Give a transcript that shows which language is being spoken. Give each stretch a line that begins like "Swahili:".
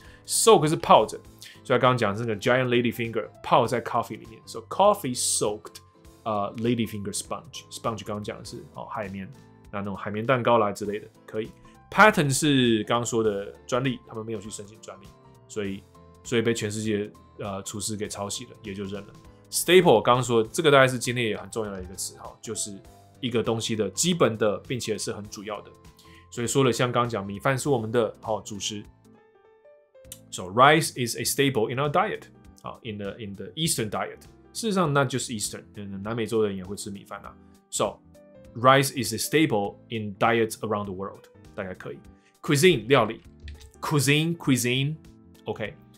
Chinese: soak 是泡着，所以刚刚讲这个 giant ladyfinger 泡在 coffee 里面，
English: so coffee soakedladyfinger sponge
Chinese: 刚刚讲的是、哦、海绵，那种海绵蛋糕啦之类的，可以。 Pattern 是刚刚说的专利，他们没有去申请专利，所以被全世界厨师给抄袭了，也就认了。 Staple 刚刚说这个大概是今天也很重要的一个词，就是一个东西的基本的，并且是很主要的。所以说了，像刚刚讲米饭是我们的、哦、主食 ，
English: so rice is a staple in our diet， in the Eastern diet。
Chinese: 事实上，那就是 Eastern， 南美洲人也会吃米饭啦、啊。
English: So rice is a staple in diets around the world，
Chinese: 大概可以。 Cuisine 料理 ，cuisine，OK、okay.。